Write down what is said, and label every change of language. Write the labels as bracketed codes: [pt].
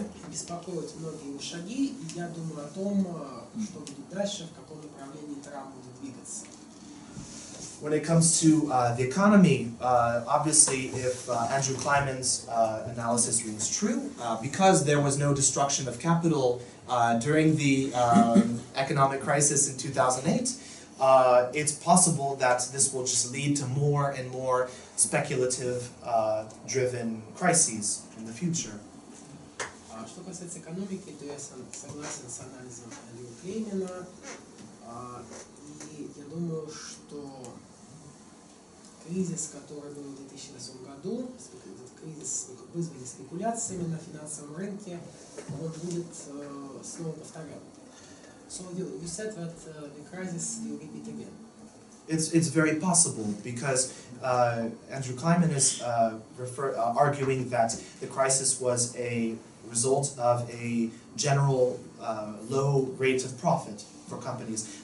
[ru] Беспокоят многие его шаги, и я думаю о том, что будет дальше, в каком направлении Трамп будет двигаться. [en] When it comes to the economy, obviously, if Andrew Klein's analysis was true, because there was no destruction of capital during the economic crisis in 2008, it's possible that this will just lead to more and more speculative-driven crises in the future. [ru] Что касается экономики, то я согласен с анализом Эндрю Клеймена, и я думаю, что кризис, который был в 2008 году, этот кризис, вызванный спекуляциями на финансовом рынке, он будет снова повторен. [en] So you said that the crisis will repeat again. It's very possible, because Andrew Klein is arguing that the crisis was a result of a general low rate of profit for companies.